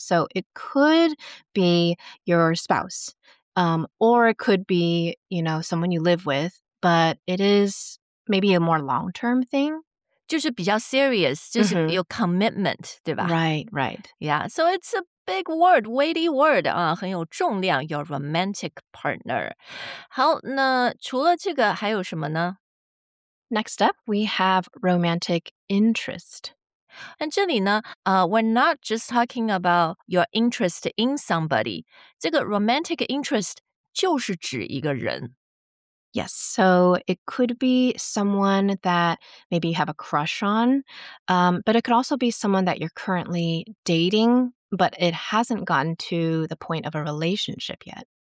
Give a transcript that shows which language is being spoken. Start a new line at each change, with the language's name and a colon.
English: So it could be your spouse, or it could be, you know, someone you live with, but it is maybe a more long-term thing.
Chinese: 就是比较 serious, 就是有 commitment, 对吧?
English: Right, right. Yeah, so it's a big word, weighty word,
Chinese: 很有重量,
English: your romantic partner.
Chinese: 好,那除了这个还有什么呢?
English: Next up, we have romantic interest. And
Chinese: 这里呢
English: we're not just talking about your interest in somebody.
Chinese: 这个 romantic interest 就是指一个人。
English: Yes, so it could be someone that maybe you have a crush on, but it could also be someone that you're currently dating, but it hasn't gotten to the point of a relationship yet.